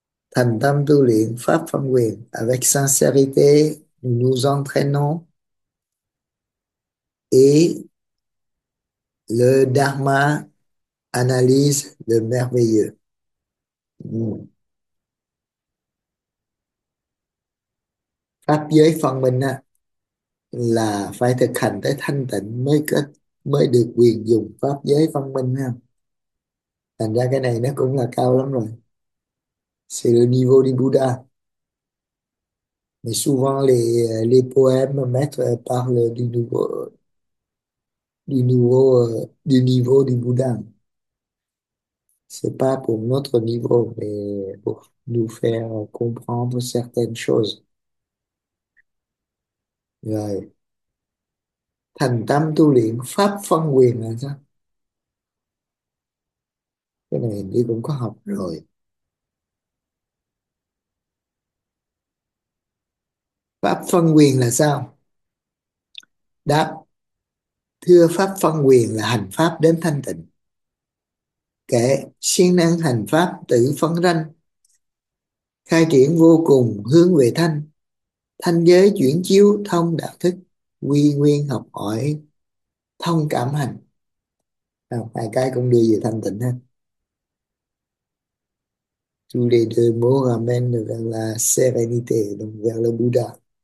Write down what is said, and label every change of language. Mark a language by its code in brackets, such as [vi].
[vi] Thành tâm tu luyện pháp phân quyền [fr] avec sincérité, nous nous entraînons et le Dharma analyse le merveilleux. [vi] Pháp giới phân minh á, là phải thực hành tới thanh tịnh mới được quyền dùng pháp giới phân minh ha. Thành ra cái này nó cũng là cao lắm rồi. [fr] C'est le niveau du Bouddha. Mais souvent les poèmes maîtres parlent du niveau du Bouddha. C'est pas pour notre niveau, mais pour nous faire comprendre certaines choses. [vi] Rồi. Thành tâm tu luyện pháp phân quyền là sao? Cái này đi cũng có học rồi. Pháp phân quyền là sao? Đáp, thưa pháp phân quyền là hành pháp đến thanh tịnh. Kể, siêng năng hành pháp tự phân ranh, khai triển vô cùng hướng về thanh. Thanh giới chuyển chiếu thông đạo thức, quy nguyên học hỏi thông cảm hành. À, hai cái cũng đưa về thanh tịnh ha. [fr] Tous les deux mots ramènent vers la sérénité, donc vers le Bouddha.